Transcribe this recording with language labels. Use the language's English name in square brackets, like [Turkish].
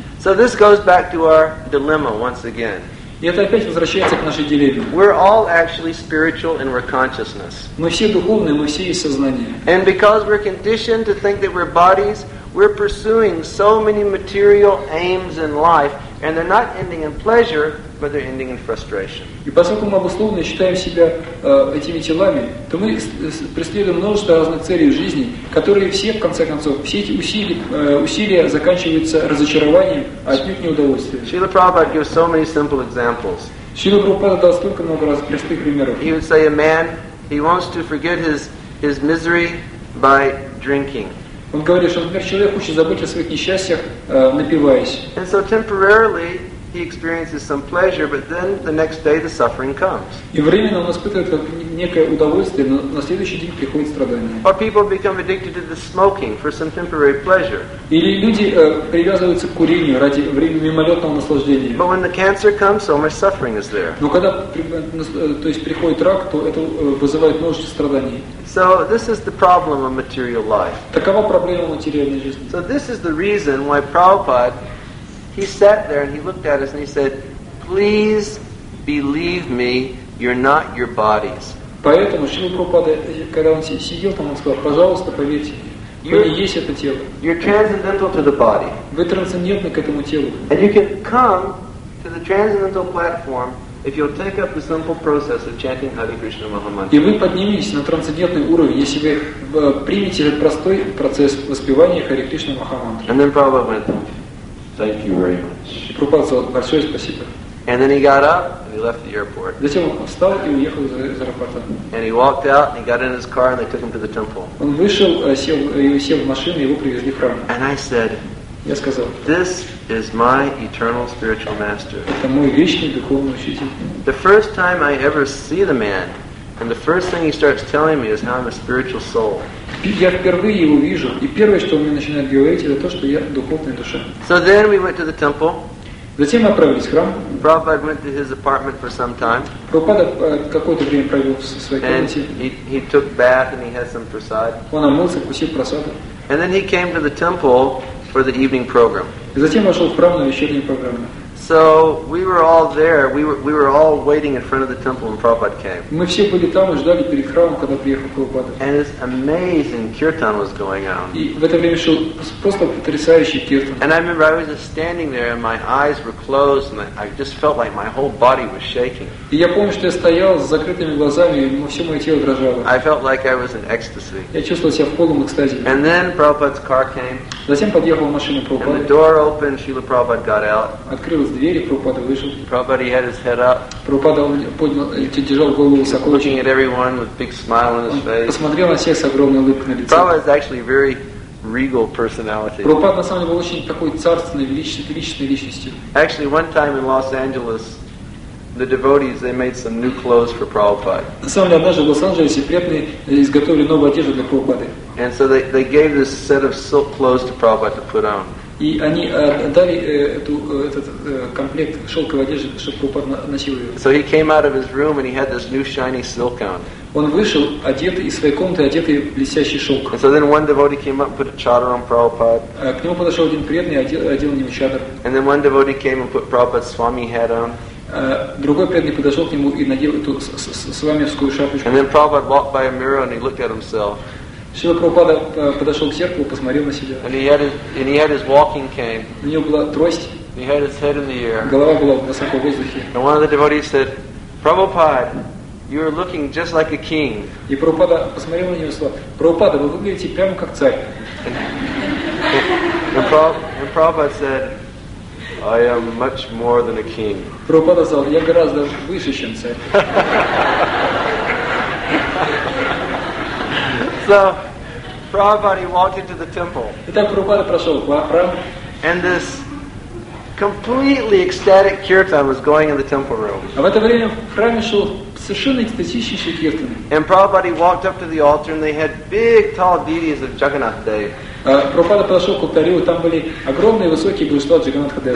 [English] So this goes back to our dilemma once again. [Russian] И это опять возвращается к нашей дилемме. [English] We're all actually spiritual and we're consciousness. [Russian] Мы все духовные, мы все есть сознание. [English] And because we're conditioned to think that we're bodies, we're pursuing so many material aims in life, and they're not ending in pleasure, but they're ending in frustration. [Russian] И поскольку мы обусловленно считаем себя этими телами, то мы преследуем множество разных целей в жизни, которые все, в конце концов, все эти усилия заканчиваются разочарованием, а отнюдь не удовольствием. [English] Srila Prabhupada gives so many simple examples. [Russian] Srila Prabhupada дал столько много раз простых примеров. [English] He would say a man, he wants to forget his misery by drinking. [Russian] Он говорит, что, например, человек хочет забыть о своих несчастьях, напиваясь. [English] And so temporarily he experiences some pleasure, but then the next day the suffering comes. [Russian] И временно он испытывает некое удовольствие, но на следующий день приходит страдание. [English] Or people become addicted to the smoking for some temporary pleasure. [Russian] Или люди привязываются к курению ради мимолетного наслаждения. [English] But when the cancer comes, so much suffering is there. [Russian] Но когда то есть приходит рак, то это вызывает множество страданий. [English] So this is the problem of material life. [Russian] Такова проблема материальной жизни. [English] So this is the reason why Prabhupada, he sat there and he looked at us and he said, please believe me, you're not your bodies. [Russian] Поэтому Шрила Прабхупада, когда он сидел там, он сказал, пожалуйста, поверьте мне, вы не есть это тело. [English] You're transcendental to the body. [Russian] Вы трансцендентны к этому телу. [English] And you can come to the transcendental platform if you'll take up the simple process of chanting Hare Krishna Mahamantra. [Russian] И вы поднимитесь на трансцендентный уровень, если вы примете этот простой процесс воспевания Хари Кришна Махамантры. [English] And then Prabhupada went, thank you very much. [Russian] И Прабхупада сказал, большое спасибо. [English] And then he got up and he left the airport. [Russian] Затем он встал и уехал из аэропорта. [English] And he walked out and he got in his car and they took him to the temple. [Russian] Он вышел, сел в машину и его привезли в храм. [English] And I said, [Russian] я сказал, [English] this is my eternal spiritual master. [Russian] Это мой вечный духовный учитель. [English] The first time I ever see the man, and the first thing he starts telling me is how I'm a spiritual soul. [Russian] Я впервые его вижу, и первое, что он мне начинает говорить, это то, что я духовная душа. [English] So then we went to the temple. [Russian] Затем мы отправились в храм. [English] Prabhupada went to his apartment for some time. [Russian] Прабхупада какое-то время провел в своей комнате. [English] And he took bath and he had some prasad. [Russian] Он омылся, вкусил прасаду. [English] And then he came to the temple for the evening program. [Russian] Затем вошел в храм на вечернюю программу. [English] So we were all there. We were all waiting in front of the temple when Prabhupada came. [Russian] Мы все были там и ждали перед храмом, когда приехал Прабхупада. [English] And this amazing kirtan was going on. [Russian] И в это время шел просто потрясающий киртан. [English] And I remember I was just standing there and my eyes were closed and I just felt like my whole body was shaking. [Russian] И я помню, что я стоял с закрытыми глазами и все мое тело дрожало. [English] I felt like I was in ecstasy. [Russian] Я чувствовал себя в полном экстазе. [English] And then Prabhupada's car came. [Russian] Затем подъехала машина Прабхупады. [English] And the door opened. Srila Prabhupada got out. [Russian] Открылась двери, Прабхупада вышел. [English] Prabhupada had his head up. [Russian] Прабхупада поднял, держал голову высоко. [English] Looking at everyone with big smile on his face. [Russian] Посмотрел на всех с огромной улыбкой на лице. [English] Prabhupada is actually a very regal personality. [Russian] Прабхупада на самом деле был очень такой царственной, величественной личностью. [English] Actually, one time in Los Angeles, the devotees, they made some new clothes for Prabhupada. [Russian] На самом деле, однажды в Лос-Анджелесе преданные изготовили новую одежду для Прабхупады. [English] And so they gave this set of silk clothes to Prabhupada to put on. [Russian] И они дали этот комплект шелковой одежды, чтобы Прабхупада носил ее. [English] So he came out of his room and he had this new shiny silk on. [Russian] Он вышел одетый из своей комнаты, одетый в блестящий шелк. [English] And so then one devotee came up and put a chador on Prabhupada. [Russian] К нему подошел один преданный, одел на него чадор. [English] And then one devotee came and put Prabhupada's Swami hat on. [Russian] другой преданный подошел к нему и надел эту свамевскую шапочку. [English] And then Prabhupada walked by a mirror and he looked at himself. [Russian] Шрила Прабхупада подошел к зеркалу, посмотрел на себя. [English] And he had his walking cane. [Russian] У него была трость. [English] He had his head in the air. [Russian] Голова была в высоком воздухе. [English] And one of the devotees said, Prabhupada, you are looking just like a king. [Russian] И Прабхупада посмотрел на него и сказал, Прабхупада, вы выглядите прямо как царь. [English] And Prabhupada said, I am much more than a king. [Russian] Прабхупада сказал, я гораздо выше, чем царь. [English] So, Prabhupada walked into the temple. [Russian] Итак, Прабхупада прошел в храм. [English] And this completely ecstatic kirtan was going in the temple room. [Russian] А в это время в храме шел совершенно экстатичнейший киртан. [English] And Prabhupada walked up to the altar, and they had big, tall deities of Jagannath Dev. [Russian] Прабхупада подошел к алтарю, там были огромные высокие божества Джаганнатха Дева.